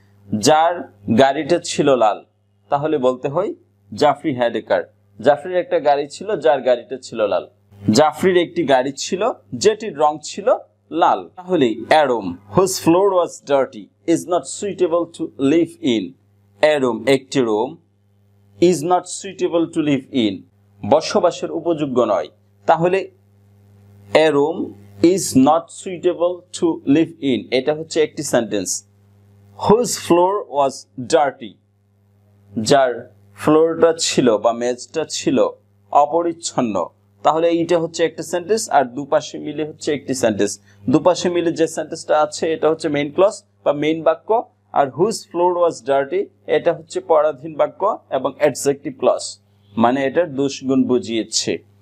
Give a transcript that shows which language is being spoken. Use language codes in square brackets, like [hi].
[bn] যার গাড়িটা ছিল লাল, তাহলে বলতে হয় জাফরি [en] had a car, [bn] জাফরির একটা গাড়ি ছিল যার গাড়িটা ছিল লাল. জাফরির একটি গাড়ি ছিল যেটির রং ছিল লাল. [en] তাহলে a room, whose floor was dirty, is not suitable to live in. A room [bn] একটি [en] room, is not suitable to live in, [bn] বসবাসের উপযোগ্য নয়. তাহলে [en] a room is not suitable to live in, [bn] এটা হচ্ছে একটি sentence. [en] Whose floor was dirty, [bn] যার ফ্লোরটা ছিল বা মেজটা ছিল অপরিচ্ছন্ন। তাহলে এইটা হচ্ছে একটা সেন্টেন্স, আর দুপাশে মিলে হচ্ছে একটি সেন্টেন্স। দুপাশে মিলে যে সেন্টেন্সটা আছে এটা হচ্ছে মেইন ক্লজ বা মেইন বাক্য, আর [en] whose floor was dirty [bn] এটা হচ্ছে পরাধীন বাক্য এবং অ্যাডজেক্টিভ ক্লজ, মানে এটার দোষগুণ বুঝিয়েছে।